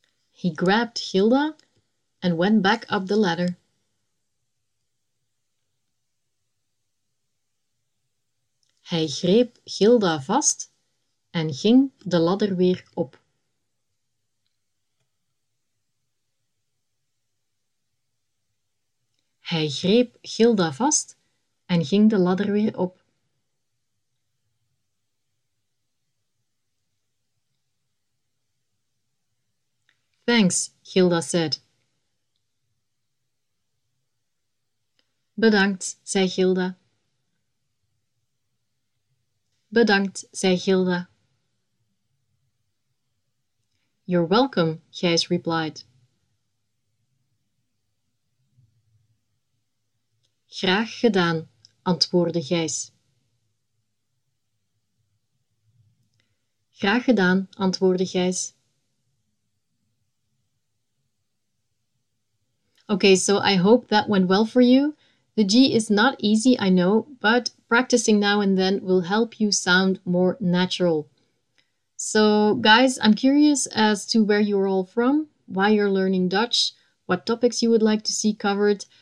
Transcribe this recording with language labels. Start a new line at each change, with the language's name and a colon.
English: He grabbed Gilda and went back up the ladder.
Dutch: Hij greep Gilda vast en ging de ladder weer op. Hij greep Gilda vast en ging de ladder weer op.
English: Thanks, Gilda said.
Dutch: Bedankt, zei Gilda. Bedankt, zei Gilda.
English: You're welcome, Gijs replied.
Dutch: Graag gedaan, antwoordde Gijs. Graag gedaan, antwoordde Gijs.
English: Okay, so I hope that went well for you. The G is not easy, I know, but practicing now and then will help you sound more natural. So, guys, I'm curious as to where you're all from, why you're learning Dutch, what topics you would like to see covered.